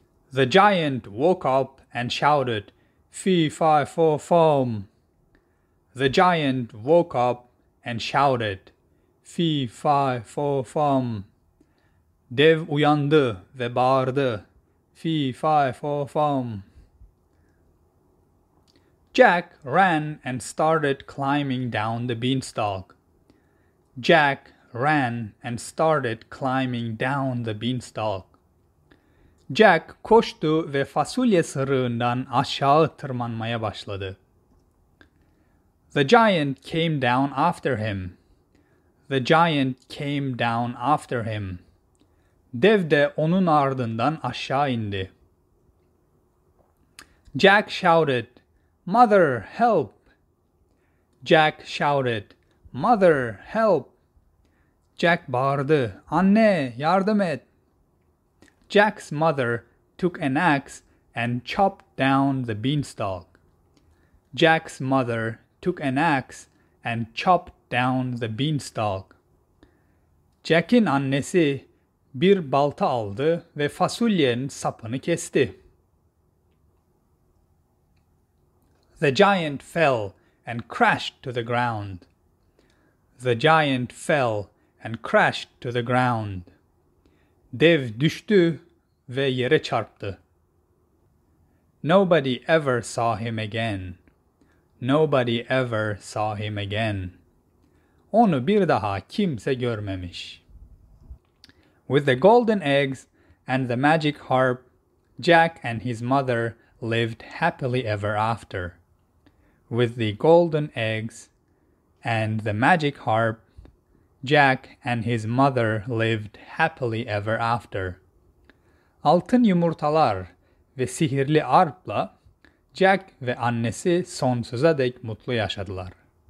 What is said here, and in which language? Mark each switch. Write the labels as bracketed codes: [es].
[en] The giant woke up and shouted, "Fee, fi, fo, fum." The giant woke up and shouted, "Fee, fi, fo, fum." [tr] Dev uyandı ve bağırdı, "Fee, fi, fo, fum." [en] Jack ran and started climbing down the beanstalk. Jack ran and started climbing down the beanstalk. [tr] Jack koştu ve fasulye sırığından aşağı tırmanmaya başladı. [en] The giant came down after him. The giant came down after him. [tr] Dev de onun ardından aşağı indi. [en] Jack shouted, "Mother, help!" Jack shouted, "Mother, help!" [tr] Jack bağırdı, "Anne, yardım et!" [en] Jack's mother took an axe and chopped down the beanstalk. Jack's mother took an axe and chopped down the beanstalk. [tr] Jack'in annesi bir balta aldı ve fasulyenin sapını kesti. [en] The giant fell and crashed to the ground. The giant fell and crashed to the ground. [tr] Dev düştü ve yere çarptı. [en] Nobody ever saw him again. Nobody ever saw him again. [tr] Onu bir daha kimse görmemiş. [en] With the golden eggs and the magic harp, Jack and his mother lived happily ever after. With the golden eggs and the magic harp, Jack and his mother lived happily ever after. [tr] Altın yumurtalar ve sihirli arpla Jack ve annesi sonsuza dek mutlu yaşadılar.